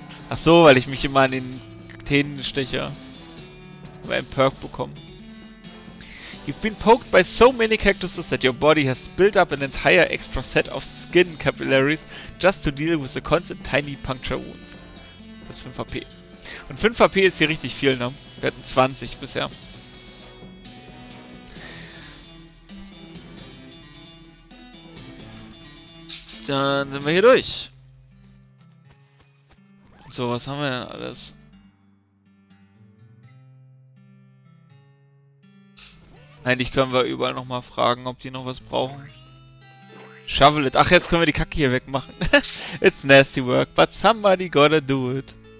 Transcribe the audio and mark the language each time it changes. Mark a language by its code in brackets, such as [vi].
[de] Ach so, weil ich mich immer an den Tänen steche. Weil ein Perk bekomme. [en] You've been poked by so many cactuses that your body has built up an entire extra set of skin capillaries just to deal with the constant tiny puncture wounds. [de] Das ist 5 HP. Und 5 HP ist hier richtig viel, ne? Wir hatten 20 bisher. Dann sind wir hier durch. So, was haben wir denn alles? Eigentlich können wir überall nochmal fragen, ob die noch was brauchen. [en] Shovel it. [de] Ach, jetzt können wir die Kacke hier wegmachen. [en] It's nasty work, but somebody gotta do it.